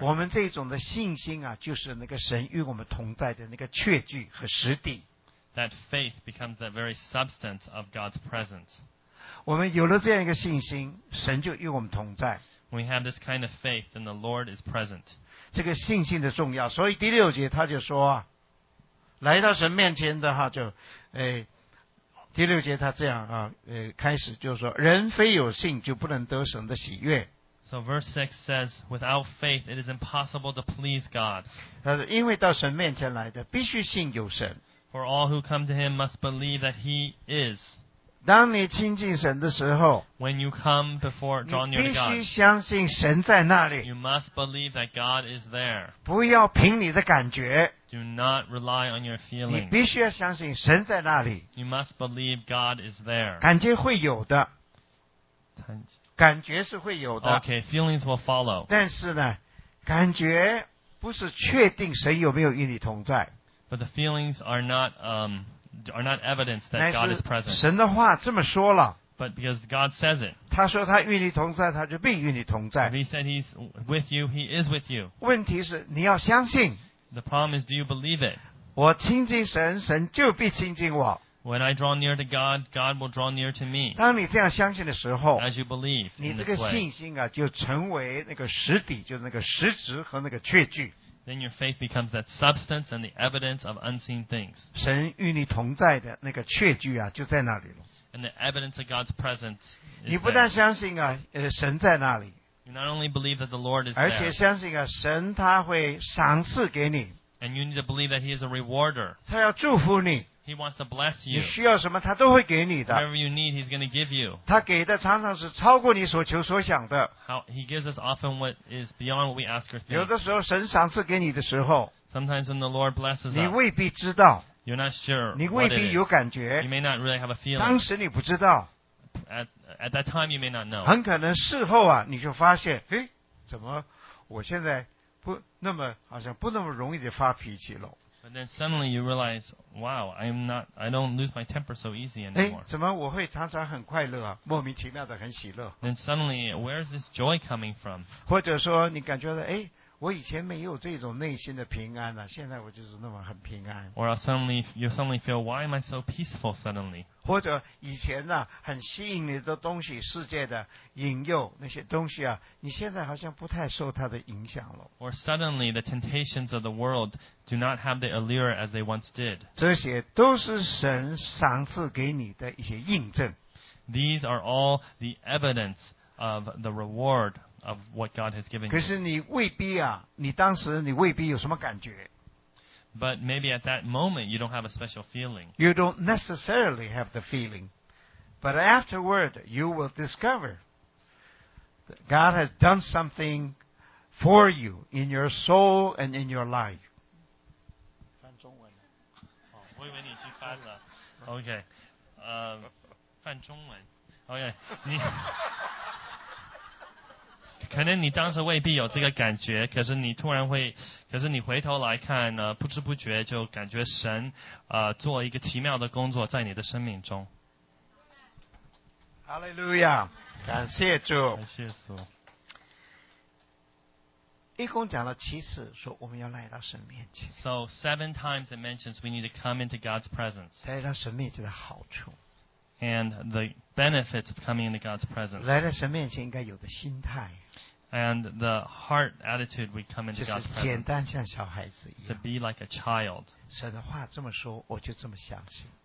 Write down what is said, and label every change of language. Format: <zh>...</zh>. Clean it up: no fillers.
<zh>我们这种的信心啊就是那个神与我们同在的那个确据和实底。</zh> <en>That faith becomes the very substance of God's presence.</en> <zh>我们有了这样一个信心神就与我们同在。</zh> <en>When we have this kind of faith, then the Lord is present.</en> <zh>这个信心的重要。所以第六节他就说啊来到神面前的话就第六节他这样啊开始就说人非有信就不能得神的喜悦。</zh> <en>So verse 6 says, without faith, it is impossible to please God.</en> <zh>因为到神面前来的必须信有神。</zh> <en>For all who come to him must believe that he is.</en> <zh>当你亲近神的时候</zh> <en>when you come before drawing near to God,</en> <zh>你必须相信神在那里。</zh> <en>You must believe that God is there.</en> <zh>不要凭你的感觉。</zh> <en>Do not rely on your feelings.</en> <zh>你必须要相信神在那里。</zh> <en>You must believe God is there.</en> <zh>感觉会有的。感觉是会有的。</zh> <en>Okay, feelings will follow.</en> <zh>但是呢，感觉不是确定神有没有与你同在。</zh> <en>But the feelings are not evidence that God is present.</en> <zh>神的话这么说了。</zh> <en>But because God says it.</en> <zh>他说他与你同在，他就必与你同在。</zh> <en>If he said he's with you, he is with you.</en> <zh>问题是你要相信。</zh> <en>The problem is, do you believe it?</en> <zh>我亲近神，神就必亲近我。</zh> <en>When I draw near to God, God will draw near to me.</en> <zh>当你这样相信的时候</zh> <en>，as you believe,</en> <zh>你这个信心啊，就成为那个实底，就是那个实质和那个确据。</zh> <en>Then your faith becomes that substance and the evidence of unseen things.</en> <zh>神与你同在的那个确据啊，就在那里了。</zh> <en>And the evidence of God's presence.</en> <zh>你不但相信啊，神在那里。</zh> <en>You not only believe that the Lord is there,</en> <zh>而且相信啊，神他会赏赐给你。</zh> <en>And you need to believe that He is a rewarder.</en> <zh>他要祝福你。</zh> <en>He wants to bless you.</en> <zh>你需要什么，他都会给你的。</zh> <en>Whatever you need, He's going to give you.</en> <zh>他给的常常是超过你所求所想的。</zh> <en>How He gives us often what is beyond what we ask or think.</en> <zh>有的时候神赏赐给你的时候</zh> <en>，Sometimes when the Lord blesses us,</en> <zh>你未必知道。</zh> <en>You're not sure.</en> <zh>你未必有感觉。</zh> <en>You may not really have a feeling.</en> <zh>当时你不知道。</zh> <en>At that time, you may not know.</en> <zh>很可能事后啊，你就发现，哎，怎么我现在不那么好像不那么容易的发脾气了。</zh> <en>But then suddenly you realize, wow, I don't lose my temper so easy anymore.</en> <zh>怎么我会常常很快乐啊，莫名其妙的很喜乐。</zh> <en>Then suddenly, where's this joy coming from?</en> <zh>或者说你感觉到，哎，我以前没有这种内心的平安啊，现在我就是那么很平安。</zh> <en>Or suddenly, you suddenly feel, why am I so peaceful suddenly?</en> <zh>或者以前呢、啊、很吸引你的东西，世界的引诱那些东西啊，你现在好像不太受它的影响了。</zh> <en>Or suddenly, the temptations of the world do not have the allure as they once did.</en> <zh>这些都是神赏赐给你的一些印证。</zh> <en>These are all the evidence of the reward. Of what God has given you.</en> <zh>可是你未必啊，你当时你未必有什么感觉。</zh> <en>But maybe at that moment you don't have a special feeling. You don't necessarily have the feeling, but afterward you will discover that God has done something for you in your soul and in your life.</en> <zh>翻中文，我以为你去翻了。 OK， 翻中文。OK， 你。可能你当时未必有这个感觉，可是你突然会，可是你回头来看呢，不知不觉就感觉神，做一个奇妙的工作在你的生命中。哈利路亚，感谢主。感谢主。一共讲了七次，说我们要来到神面前。</zh> <en>So seven times it mentions we need to come into God's presence.</en> <zh>来到神面前的好处。</zh> <en>And the benefits of coming into God's presence.</en> <zh>来到神面前应该有的心态。</zh> <en>And the heart attitude we come into God's presence.</en> <zh>就是简单像小孩子一样。</zh> <en>To be like a child.</en> <zh>神的话这么说，我就这么相信。</zh>